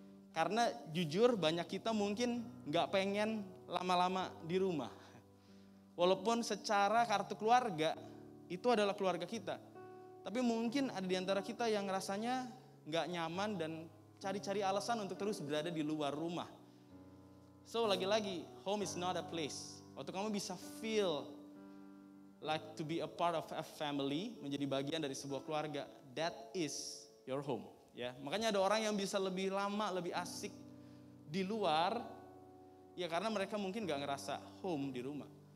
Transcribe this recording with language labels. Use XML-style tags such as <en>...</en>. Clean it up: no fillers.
<id>Karena jujur banyak kita mungkin gak pengen lama-lama di rumah. Walaupun secara kartu keluarga, itu adalah keluarga kita. Tapi mungkin ada di antara kita yang rasanya gak nyaman dan cari-cari alasan untuk terus berada di luar rumah.</id> <en>So, lagi-lagi, home is not a place.</en> <id>Waktu kamu bisa</id> <en>feel like to be a part of a family,</en> <id>menjadi bagian dari sebuah keluarga,</id> <en>that is your home.</en> <id>Ya, makanya ada orang yang bisa lebih lama, lebih asik di luar, ya karena mereka mungkin gak ngerasa home di rumah.</id>